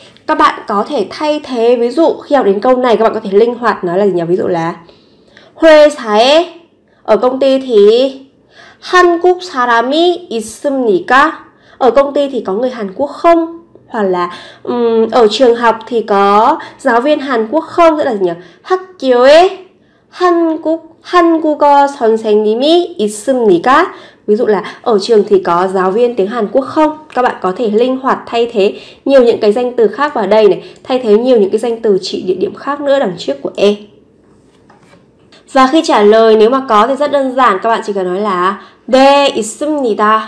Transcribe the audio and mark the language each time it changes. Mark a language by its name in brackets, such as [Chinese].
[Vietnamese] Các bạn có thể thay thế, ví dụ khi học đến câu này các bạn có thể linh hoạt nói là gì nhỉ, ví dụ là Huê sae, ở công ty thì [Korean] 한국 사람이 있습니까? [Vietnamese] Ở công ty thì có người Hàn Quốc không? Hoặc là ở trường học thì có giáo viên Hàn Quốc không? Tức là gì nhỉ? [Korean] 학교에 한국어 선생님이 있습니까? [Vietnamese] Ví dụ là ở trường thì có giáo viên tiếng Hàn Quốc không? Các bạn có thể linh hoạt thay thế nhiều những cái danh từ khác vào đây này, thay thế nhiều những cái danh từ chỉ địa điểm khác nữa đằng trước của e. Và khi trả lời nếu mà có thì rất đơn giản, các bạn chỉ cần nói là [Korean] 네 있습니다.